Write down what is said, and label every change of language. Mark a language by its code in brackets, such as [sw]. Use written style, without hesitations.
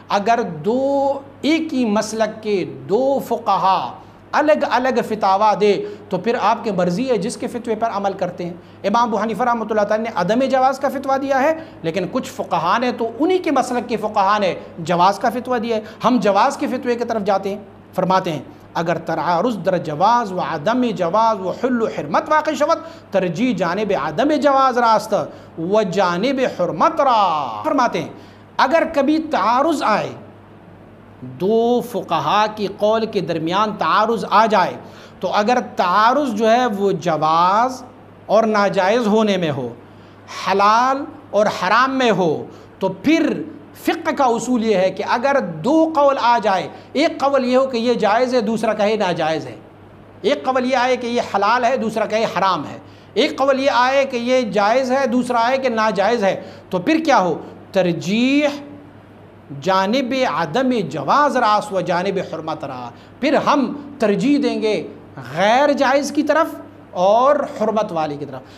[ur] اگر دو ایک ہی مسلک کے دو فقہا الگ الگ فتاوی دے تو پھر آپ کی مرضی ہے جس کے فتوے پر عمل کرتے ہیں. امام ابو حنیفہ رحمۃ اللہ تعالی نے عدم جواز کا فتویٰ دیا ہے, لیکن کچھ فقہا نے تو انہی کے مسلک کے فقہا نے جواز کا فتویٰ دیا ہے, ہم جواز کے فتوے کی طرف جاتے ہیں. [fa] فرماتے ہیں اگر تعارض در جواز و عدم جواز و حل و حرمت واقع شود, ترجیح جانب عدم جواز راست و جانب حرمت را. [ur] فرماتے ہیں اگر کبھی تعارض آئے, دو فقہا کی قول کے درمیان تعارض آ جائے, تو اگر تعارض جو ہے وہ جواز اور ناجائز ہونے میں ہو, حلال اور حرام میں ہو, تو پھر فقہ کا اصول یہ ہے کہ اگر دو قول آ جائے, ایک قول یہ ہو کہ یہ جائز ہے دوسرا کہے ناجائز ہے, ایک قول یہ آئے کہ یہ حلال ہے دوسرا کہے حرام ہے, ایک قول یہ آئے کہ یہ جائز ہے دوسرا آئے کہ ناجائز ہے, تو پھر کیا ہو, [fa] ترجیح جانب عدم جواز راس و جانب حرمت را, [ur] پھر ہم ترجیح دیں گے غیر جائز کی طرف اور حرمت والی کی طرف.